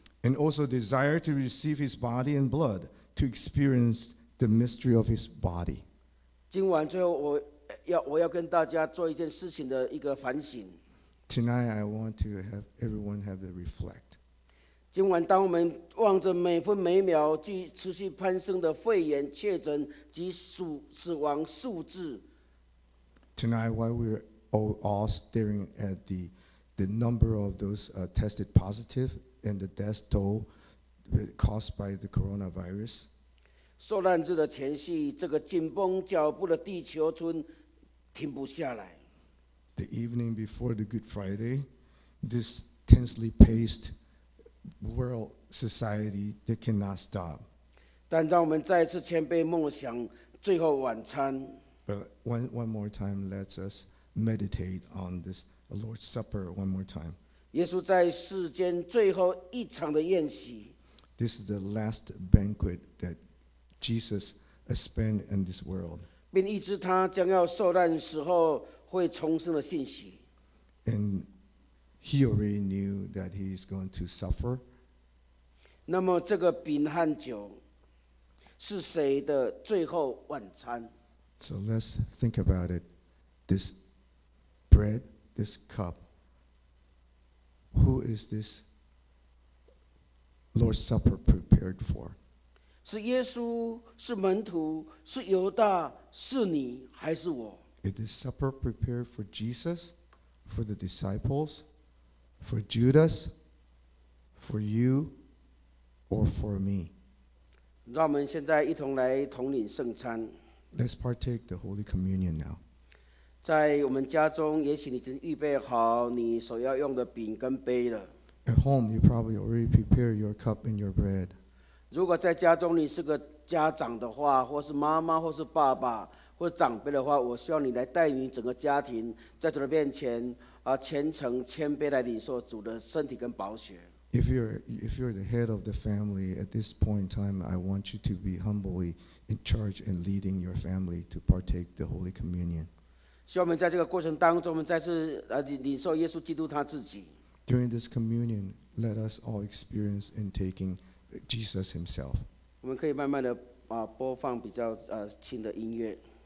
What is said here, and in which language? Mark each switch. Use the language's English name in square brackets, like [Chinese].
[English] And also desire to receive His body and blood to experience the mystery of His body. [Chinese] 今晚最后我要跟大家做一件事情的一个反省。 [English] Tonight I want to have everyone have a reflect. [Chinese] 今晚当我们望着每分每秒继持续攀升的肺炎确诊及死亡数字。 [English] Tonight, while we're all staring at the number of those tested positive and the death toll caused by the coronavirus. [Chinese] 受难日的前夕，这个紧绷脚步的地球村停不下来。 [English] The evening before the Good Friday, this tensely paced,world society that cannot stop. [Chinese] 但让我们再次谦卑默想最后晚餐。 [English] But one more time, let us meditate on this Lord's Supper one more time. [Chinese] 耶稣在世间最后一场的宴席。 [English] This is the last banquet that Jesus spent in this world. [Chinese] 并预知他将要受难时候会重生的信息。 [English] AndHe already knew that he is going to suffer. [Chinese] 那么这个饼和酒是谁的最后晚餐？ [English] So let's think about it. This bread, this cup, who is this Lord's Supper prepared for? [Chinese] 是耶稣，是门徒，是犹大，是你，还是我？ [English] Is this supper prepared for Jesus, for the disciples? For Judas, for you, or for me. [Chinese] 让我们现在一同来统领圣餐。 [English] Let's partake the Holy Communion now. [Chinese] 在我们家中，也许你已经预备好你所要用的饼跟杯了。 [English] At home, you probably already prepared your cup and your bread. [Chinese] 如果在家中你是个家长的话，或是妈妈，或是爸爸，或是长辈的话，我希望你来带领整个家庭在主的面前。虔诚谦卑来领受主的身体跟宝血。 [English] If you're the head of the family at this point in time, I want you to be humbly in charge and leading your family to partake the Holy Communion. [Chinese] 希望我们在这个过程当中，我们再次领受耶稣基督他自己。 [English] During this communion, let us all experience in taking Jesus Himself. [Chinese] 我们可以慢慢的播放比较轻的音乐。